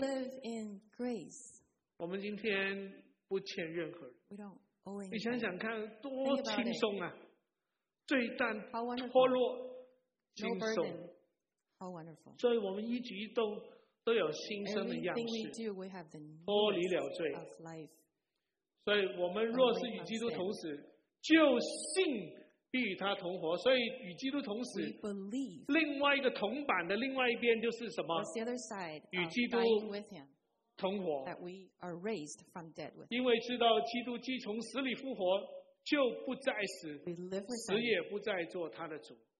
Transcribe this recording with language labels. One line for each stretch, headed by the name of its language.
English: We live in grace.
Chinese: 我们今天不欠任何人。
English: We don't owe anything.
Chinese: 你想想看，多轻松啊！罪担脱落，轻松。
English: How wonderful!
Chinese: 所以我们一举一动都有新生的样式。
English: Everything we do, we have the newness of life.
Chinese: 脱离了罪。所以我们若是与基督同死，就信必与他同活。所以与基督同死，另外一个铜板的另外一边就是什么？与基督同活。因为知道基督既从死里复活，就不再死，死也不再做他的主。